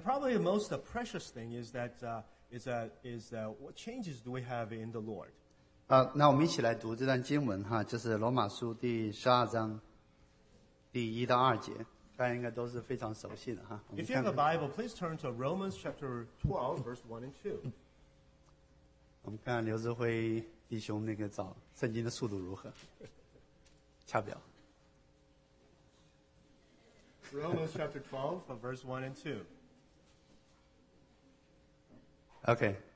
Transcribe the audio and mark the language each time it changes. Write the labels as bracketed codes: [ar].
[en] probably the most precious thing is that what changes do we have in the Lord? [zh] 那我们一起来读这段经文哈，就是罗马书第十二章。第一到二节，大家应该都是非常熟悉的哈。 [en] If you have a Bible, please turn to Romans chapter 12, verse 1 and 2. [zh] 我们看刘志辉弟兄那个找圣经的速度如何，掐表。Romans [en] chapter 12, verse 1 and 2. Okay.